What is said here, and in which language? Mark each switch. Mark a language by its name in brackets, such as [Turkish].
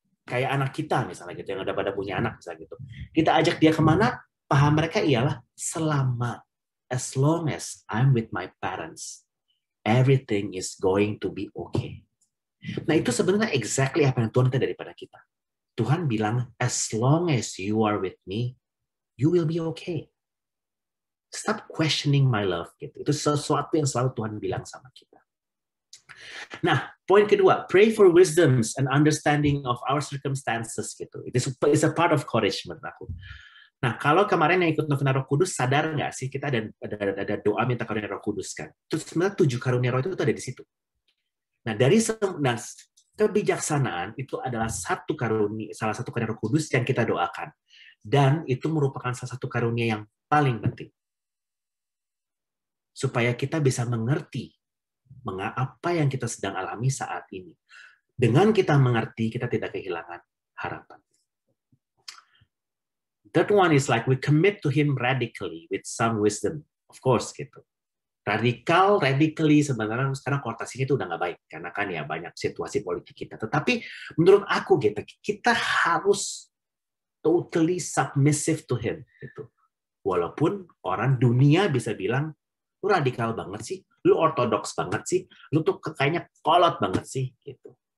[Indonesian] Kayak anak kita misalnya gitu, yang udah pada punya anak misalnya gitu. Kita ajak dia kemana, paham mereka ialah selama, [English] as long as I'm with my parents, everything is going to be okay. [Indonesian] Nah itu sebenarnya exactly apa yang Tuhan minta daripada kita. Tuhan bilang, [English] as long as you are with me, you will be okay. Stop questioning my love. [Indonesian] Gitu. Itu sesuatu yang selalu Tuhan bilang sama kita. Nah, poin kedua, [English] pray for wisdom and understanding of our circumstances. Gitu. It's a part of courage [Indonesian] menurut aku. Nah, kalau kemarin yang ikut novena Roh Kudus, sadar nggak sih kita ada doa minta karunia Roh Kudus kan? Terus sebenarnya 7 karunia Roh itu ada di situ. Nah, dari kebijaksanaan itu adalah satu karunia, salah satu karunia Roh Kudus yang kita doakan. Dan itu merupakan salah satu karunia yang paling penting. Supaya kita bisa mengerti apa yang kita sedang alami saat ini. Dengan kita mengerti, kita tidak kehilangan harapan. [English] That one is like we commit to him radically with some wisdom, of course gitu. [Indonesian] Radical, radically sebenarnya sekarang kortasinya itu udah nggak baik karena kan ya banyak situasi politik kita. Tetapi menurut aku gitu, kita harus [English] totally submissive to him [Indonesian] gitu. Walaupun orang dunia bisa bilang lu radikal banget sih, lu ortodoks banget sih, lu tuh kayaknya kolot banget sih gitu.